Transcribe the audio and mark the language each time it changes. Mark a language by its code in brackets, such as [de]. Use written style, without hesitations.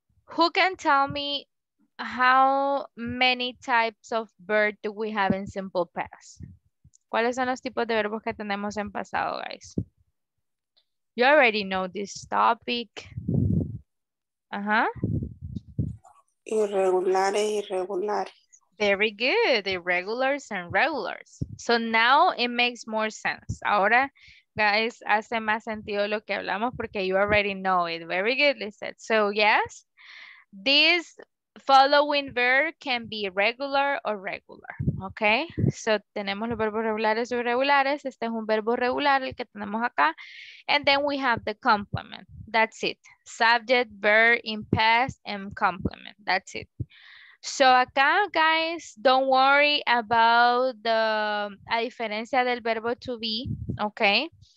[en] Who can tell me how many types of verb do we have in simple past? [es] ¿Cuáles son los tipos de verbos que tenemos en pasado, guys? [en] You already know this topic. [es] Irregulares, irregulares. [en] Very good, irregulars and regulars. So now it makes more sense. [es] Ahora, guys, hace más sentido lo que hablamos porque [en] you already know it. Very good, [es] Lizette. [en] So yes, this following verb can be regular or regular. [es] Okay, so tenemos los verbos regulares o irregulares. Este es un verbo regular, el que tenemos acá. [en] And then we have the complement. That's it. Subject, verb, in past, and complement. That's it. So acá, guys, don't worry about the, [es] a diferencia del verbo to be, [en] okay?